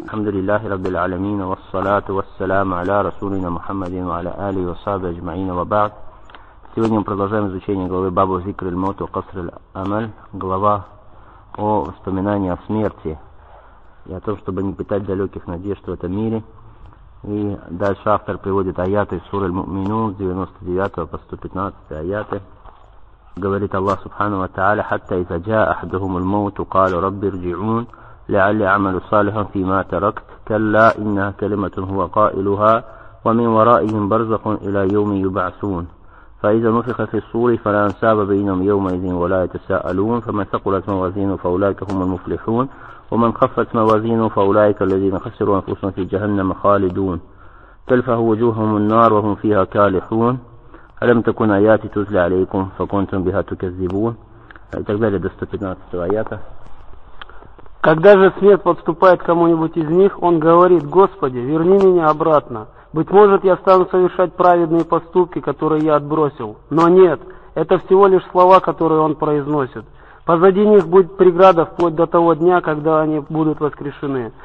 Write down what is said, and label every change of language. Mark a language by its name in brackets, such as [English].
[Arabic] الحمد لله رب العالمين، والصلاة والسلام على رسولنا محمد وعلى آله وصحبه أجمعين، وبعد. [Russian] Сегодня мы продолжаем изучение главы Бабу Зикр аль-Мот ва Каср аль-Амаль, глава о воспоминании о смерти и о том, чтобы не питать далеких надежд в этом мире. И дальше автор приводит аяты сур аль-Муминун 99 по 115 аяты. Говорит Аллах Субхану ва Тааля: [Arabic] «Хатта иза джаа ахадухум аль-Мот, каля Рабби ирджиун, лаалли аъмалу салихан фима таракт, калла иннаха калиматун хуа каилуха, ва мин вараихим барзахун иля йауми юбаасун». فإذا نفخ في الصور فلا أنساب بينهم يومئذ ولا يتساءلون فمن ثقلت موازينه فأولئك هم المفلحون ومن خفت موازينه فأولئك الذين خسروا أنفسهم في جهنم خالدون تلفه وجوههم النار وهم فيها كالحون ألم تكن آياتي تتلى عليكم فكنتم بها تكذبون تقبلت استفدنات الآيات. [Russian] Когда же смерть подступает к кому-нибудь из них, он говорит: «Господи, верни меня обратно. Быть может, я стану совершать праведные поступки, которые я отбросил». Но нет, это всего лишь слова, которые он произносит. Позади них будет преграда вплоть до того дня, когда они будут воскрешены.